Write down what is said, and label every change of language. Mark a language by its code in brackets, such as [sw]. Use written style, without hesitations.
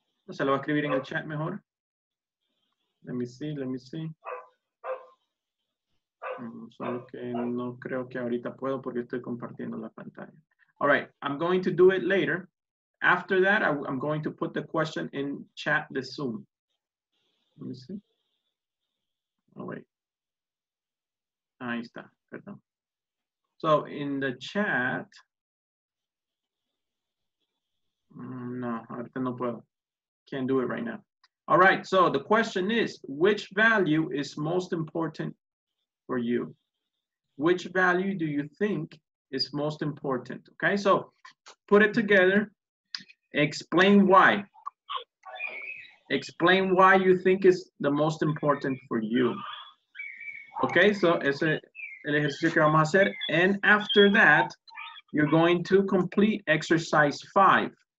[es] Se lo voy a escribir en el chat mejor. [en] Let me see. [es] Solo que no creo que ahorita puedo porque estoy compartiendo la pantalla. [en] All right, I'm going to do it later. After that, I'm going to put the question in chat the Zoom. Let me see. Oh, wait. [es] Ahí está, perdón. [en] So, in the chat. [es] No, ahorita no puedo. [en] Can't do it right now. All right, so the question is, which value is most important for you? Which value do you think is most important? Okay, so put it together. Explain why. Explain why you think is the most important for you. [es] Okay, so ese el ejercicio que vamos a hacer. [en] And after that, you're going to complete exercise 5.